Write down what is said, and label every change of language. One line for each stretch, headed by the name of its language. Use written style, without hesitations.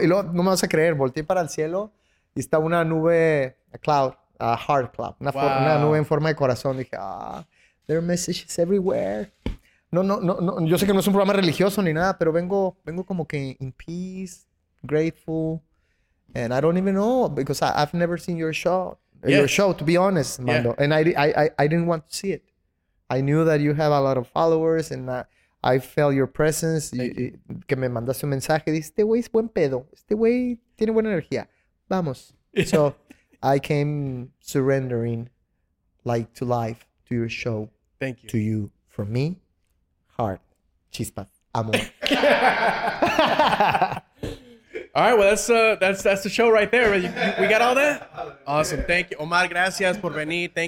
Spanish: Y luego, no me vas a creer, volteé para el cielo y está una nube,
English: a cloud, a heart cloud.
Spanish: Una, wow. Una nube en forma de corazón. Dije,
English: there are messages everywhere.
Spanish: No, yo sé que no es un programa religioso ni nada, pero vengo como que
English: in peace, grateful. And I don't even know because I've never seen your show. Yes. Your show, to be honest, Mando. Yeah. And I didn't want to see it. I knew that you have a lot of followers and I felt your presence. You.
Spanish: Que me mandaste un mensaje. Dice, este güey es buen pedo. Este güey tiene buena energía. Vamos.
English: Yeah. So I came surrendering like to life, to your show. Thank you. To you. For me, heart.
Spanish: Chispa. Amor.
English: All right, well, that's the show right there. We got all that? Awesome. Thank you. Omar,
Spanish: gracias por venir.
English: Thank